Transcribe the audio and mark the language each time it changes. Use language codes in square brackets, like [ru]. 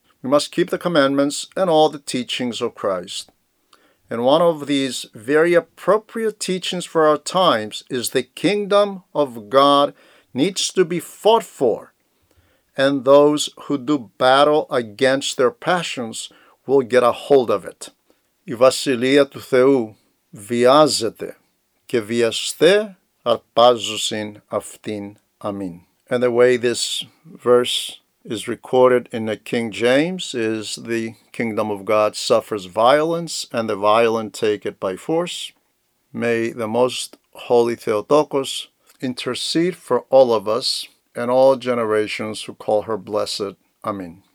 [en] We must keep the commandments and all the teachings of Christ. And one of these very appropriate teachings for our times is the kingdom of God needs to be fought for, and those who do battle against their passions will get a hold of it. [el] Η βασιλεία του Θεού βιάζεται και βιαστέ αρπάζουσιν αυτήν. Αμήν. [en] And the way this verse is recorded in the King James is the kingdom of God suffers violence and the violent take it by force. May the Most Holy Theotokos intercede for all of us and all generations who call her blessed. Amen.